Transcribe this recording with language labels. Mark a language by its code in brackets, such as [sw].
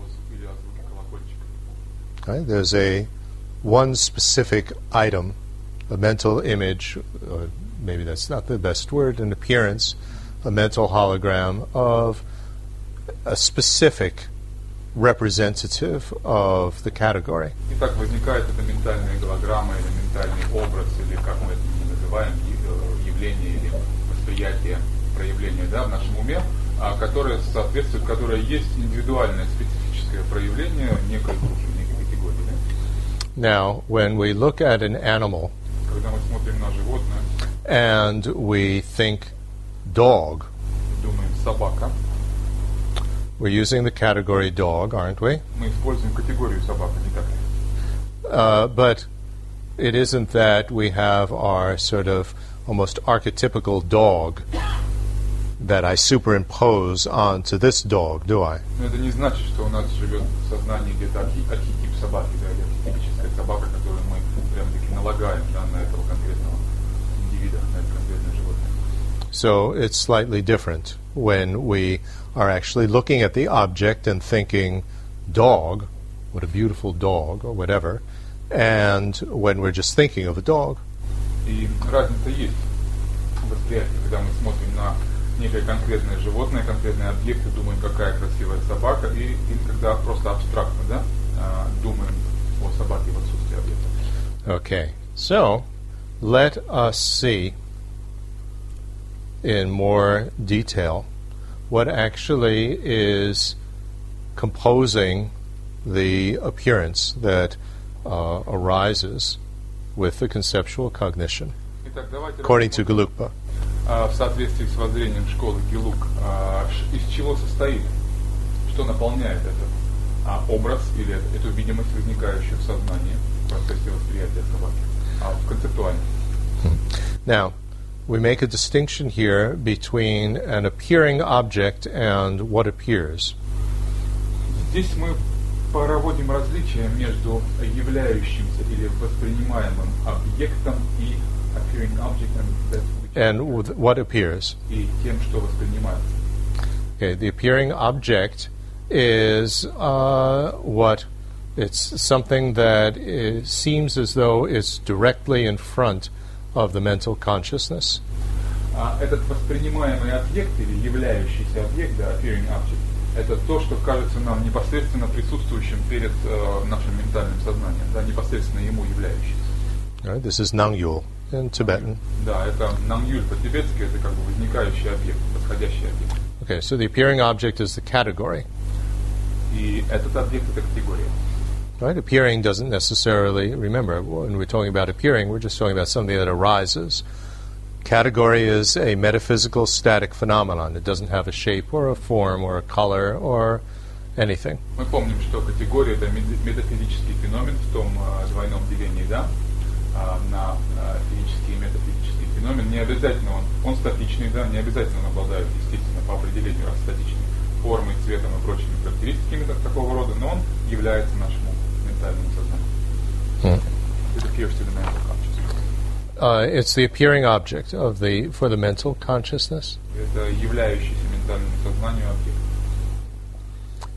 [ru] Или о звуке колокольчика. [en] Right? There's one specific item, a mental image, or maybe that's not the best word, an appearance, a mental hologram of a specific representative of the category. [ru] Итак, возникает эта ментальная голограмма или ментальный образ, или как мы это называем, явление или восприятие, проявление, да, в нашем уме, которое соответствует, которое есть индивидуальное специфическое проявление некой группы, некой категории. Да? [en] Now, when we look at an animal, [ru] когда мы смотрим на животное, [en] and we think dog, [ru] думаем собака, [en] we're using the category dog, aren't we? [ru] Мы используем категорию собака, не так ли? [en] But it isn't that we have our sort of almost archetypical dog that I superimpose onto this dog, do I? [ru] Но это не значит, что у нас живет в сознании где-то архетип собаки, да, или архетипическая собака, которую мы прямо-таки налагаем, да, на этого конкретного индивида, на это конкретное животное. [en] So it's slightly different when we are actually looking at the object and thinking, dog, what a beautiful dog, or whatever, and when we're just thinking of a dog. [ru] И разница есть в восприятии, когда мы смотрим на некое конкретное животное, конкретный объект, и думаем, какая красивая собака, и когда просто абстрактно, да, думаем о собаке в отсутствии объекта. [en] Okay, so let us see in more detail what actually is composing the appearance that arises with the conceptual cognition, [ru] итак, [en] according to Gelug. [ru] В соответствии с воззрением школы Гелуг, из чего состоит, что наполняет этот образ или эту видимость, возникающую в сознании в процессе восприятия собаки, в концептуальном. [en] Now, we make a distinction here between an appearing object and what appears. [ru] Здесь мы проводим различие между являющимся или воспринимаемым объектом и [en] appearing object and what appears. [ru] И тем, что воспринимается. [en] Okay, the appearing object is what it's something that is, seems as though it's directly in front of the mental consciousness. [ru] Этот воспринимаемый объект или являющийся объект, да, [en] appearing object, [ru] это то, что кажется нам непосредственно присутствующим перед нашим ментальным сознанием, да, непосредственно ему являющимся. [en] Right, this is nangyul in Tibetan. [ru] Да, это nangyul по-тибетски, это как бы возникающий объект, восходящий объект. [en] Okay, so the appearing object is the category. [ru] И этот объект это категория. [en] Right, appearing doesn't necessarily, remember, when we're talking about appearing, we're just talking about something that arises. Category is a metaphysical static phenomenon. It doesn't have a shape or a form or a color or anything. [ru] Мы помним, что категория это метафизический феномен в том двойном делении, да? На физический и метафизический феномен. Не обязательно он статичный, да? Не обязательно он обладает, естественно, по определению, раз статичный, формой, цветом и прочими характеристиками такого рода, но он является нашим ментальным сознанием. [en] It appears to the mental consciousness. It's the appearing object of the for the mental consciousness. [ru] Это являющийся ментальному сознанию объект.